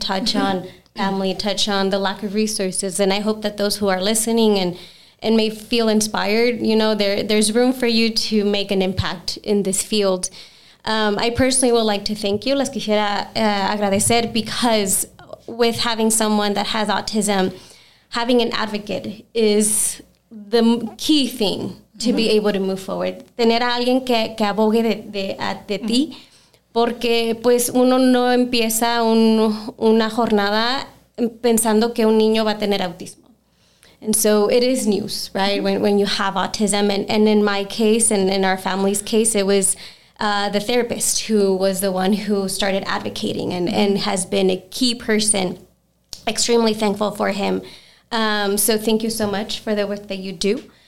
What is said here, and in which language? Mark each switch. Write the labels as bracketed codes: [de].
[en] Touch on family, touch on the lack of resources. And I hope that those who are listening and may feel inspired, you know, there's room for you to make an impact in this field. I personally would like to thank you, [es] les quisiera agradecer, [en] because with having someone that has autism, having an advocate is the key thing to be able to move forward. [es] Tener a alguien que abogue de ti, porque pues uno no empieza una jornada pensando que un niño va a tener autismo. [en] And so it is news, right? When you have autism, and in my case, and in our family's case, it was the therapist who was the one who started advocating and has been a key person. Extremely thankful for him. So thank you so much for the work that you do.